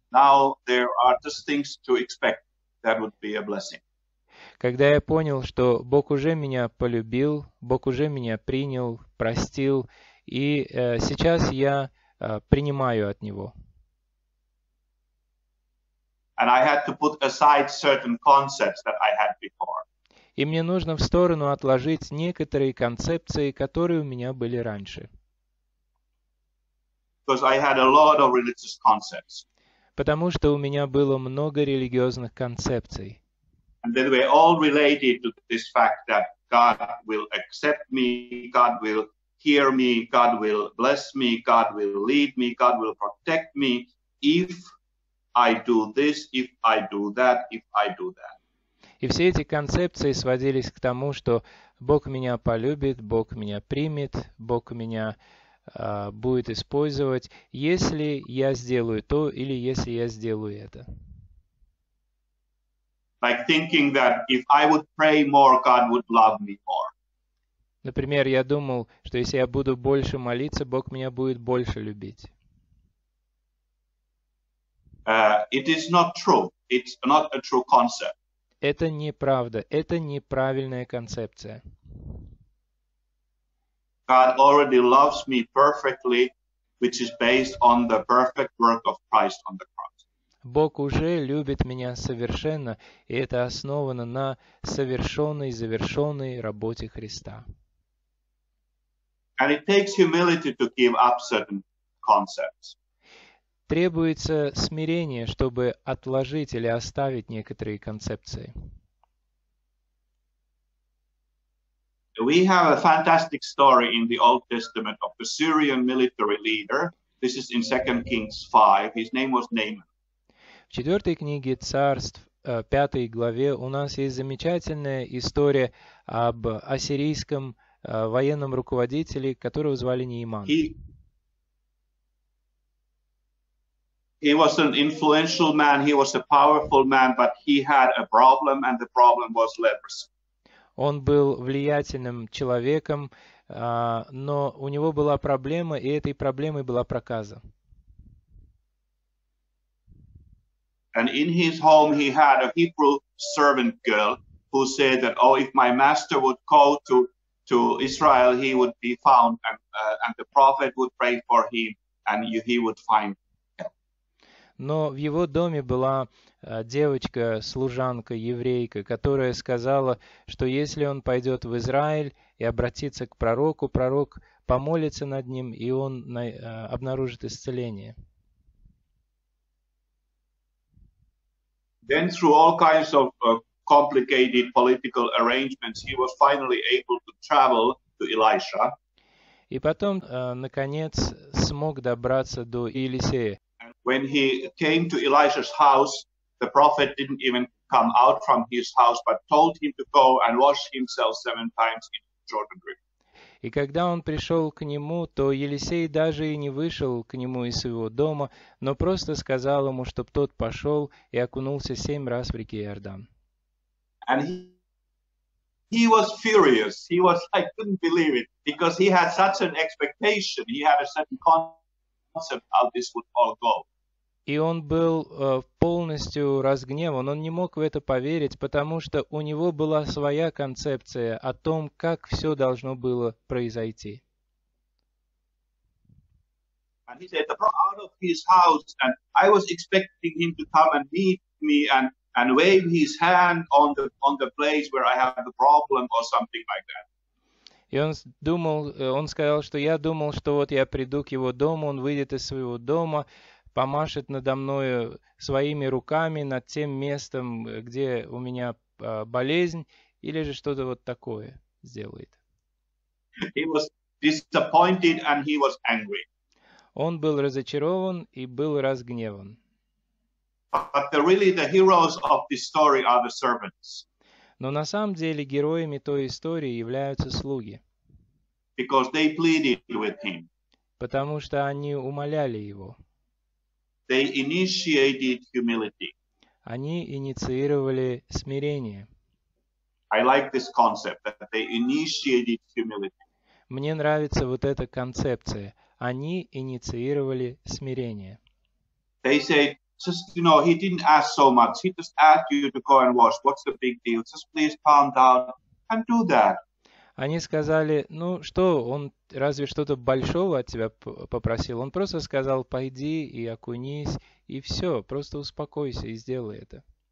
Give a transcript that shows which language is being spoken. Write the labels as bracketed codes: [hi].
[en] Now there are just things to expect that would be a blessing. [ru] Когда я понял, что Бог уже меня полюбил, Бог уже меня принял, простил, и сейчас я принимаю от Него. [en] And I had to put aside certain concepts that I had before. [ru] И мне нужно в сторону отложить некоторые концепции, которые у меня были раньше. [en] Because I had a lot of religious concepts. [ru] Потому что у меня было много религиозных концепций. [en] And they were all related to this fact that God will accept me, God will hear me, God will bless me, God will lead me, God will protect me if I do this, if I do that, if I do that. [ru] И все эти концепции сводились к тому, что Бог меня полюбит, Бог меня примет, Бог меня будет использовать, если я сделаю то или если я сделаю это. [en] Like thinking that if I would pray more, God would love me more. [ru] Например, я думал, что если я буду больше молиться, Бог меня будет больше любить. [en] It is not true. It's not a true concept. [ru] Это неправда. Это неправильная концепция. [en] God already loves me perfectly, which is based on the perfect work of Christ on the cross. [ru] Бог уже любит меня совершенно, и это основано на совершенной, завершенной работе Христа. [en] And it takes humility to give up certain concepts. [ru] Требуется смирение, чтобы отложить или оставить некоторые концепции. [en] We have a fantastic story in the Old Testament of the Syrian military leader. This is in 2 Kings 5. His name was Naaman. [ru] В 4 книге царств, 5 главе, у нас есть замечательная история об ассирийском военном руководителе, которого звали Нейман. [en] He was an influential man, he was a powerful man, but he had a problem, and the problem was leprosy. [ru] Он был влиятельным человеком, но у него была проблема, и этой проблемой была проказа. [en] And in his home he had a Hebrew servant girl who said that, oh, if my master would call to Israel, he would be found, and the prophet would pray for him, and he would find him. [ru] Но в его доме была девочка-служанка, еврейка, которая сказала, что если он пойдет в Израиль и обратится к пророку, пророк помолится над ним, и он обнаружит исцеление. [en] Then through all kinds of complicated political arrangements, he was finally able to travel to Elisha. [ru] И потом, наконец, смог добраться до Елисея. [en] When he came to Elisha's house, the prophet didn't even come out from his house, but told him to go and wash himself 7 times in Jordan River. [ru] И когда он пришел к нему, то Елисей даже и не вышел к нему из своего дома, но просто сказал ему, чтобы тот пошел и окунулся 7 раз в реке Иордан. [en] And he was furious. He was, I couldn't believe it, because he had such an expectation. He had a certain concept how this would all go. [ru] И он был полностью разгневан, он не мог в это поверить, потому что у него была своя концепция о том, как все должно было произойти. [en] And he said, out of his house, and I was expecting him to come and meet me and wave his hand on the place where I have the problem or something like that. [ru] И он сказал, что вот я приду к его дому, он выйдет из своего дома, помашет надо мною своими руками над тем местом, где у меня болезнь, или же что-то вот такое сделает. [en] He was disappointed and he was angry. [ru] Он был разочарован и был разгневан. [en] But really the heroes of this story are the servants. [ru] Но на самом деле героями той истории являются слуги. [en] Because they pleaded with him. [ru] Потому что они умоляли его. [en] They initiated humility. [ru] Они инициировали смирение. [en] I like this concept that they initiated humility. [ru] Мне нравится вот эта концепция. Они инициировали смирение. [en] They say, just, you know, he didn't ask so much. He just asked you to go and wash. What's the big deal? Just please calm down and do that. [ru] Они сказали, ну что, он разве что-то большого от тебя попросил? Он просто сказал, пойди и окунись, и все, просто успокойся и сделай это.